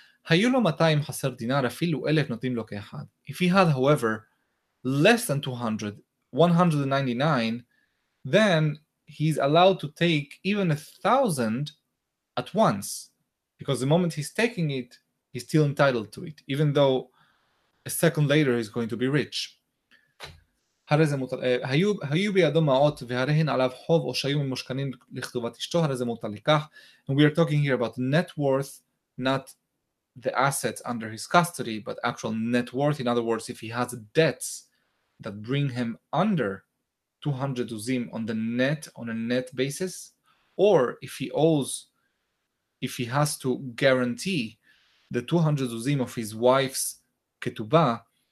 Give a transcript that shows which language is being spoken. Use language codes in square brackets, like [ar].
[en] If he had, however, less than 200, 199, then he's allowed to take even 1,000 at once, because the moment he's taking it, he's still entitled to it, even though a second later he's going to be rich. [he] הרי זה מוטל, היו בידו מעות והרהן עליו חוב או שהיו ממושכנים לכתובת אשתו, הרי זה מוטל לכך. [en] And we are talking here about net worth, not the assets under his custody, but actual net worth. In other words, if he has debts that bring him under 200 uzim on a net basis, or if he has to guarantee the 200 uzim of his wife's ketubah,